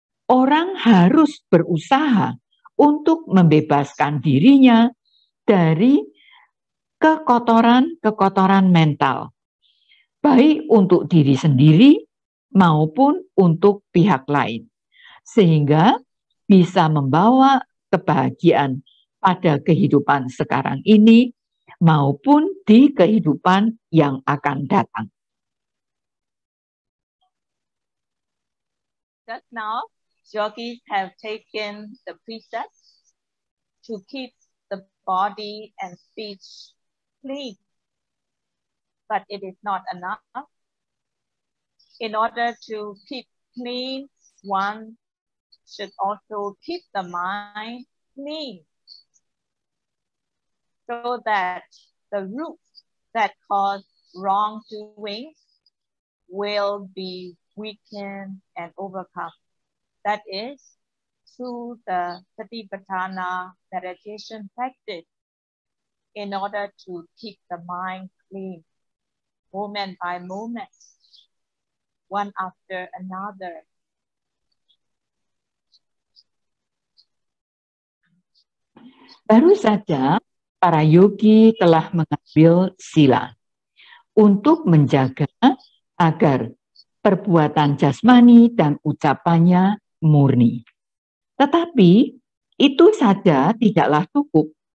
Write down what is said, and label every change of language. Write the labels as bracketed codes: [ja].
[id] Orang harus berusaha untuk membebaskan dirinya dari kekotoran-kekotoran mental, baik untuk diri sendiri maupun untuk pihak lain, sehingga bisa membawa kebahagiaan pada kehidupan sekarang ini maupun di kehidupan yang akan datang. [en] Just now, yogis have taken the precept to keep the body and speech clean, but it is not enough. In order to keep clean, one should also keep the mind clean, so that the roots that cause wrongdoing will be weakened and overcome. That is, through the Satipatthana meditation practice, in order to keep the mind clean, moment by moment, one after another. [id] Baru saja para yogi telah mengambil sila untuk menjaga agar perbuatan jasmani dan ucapannya murni. Tetapi itu saja tidaklah cukup.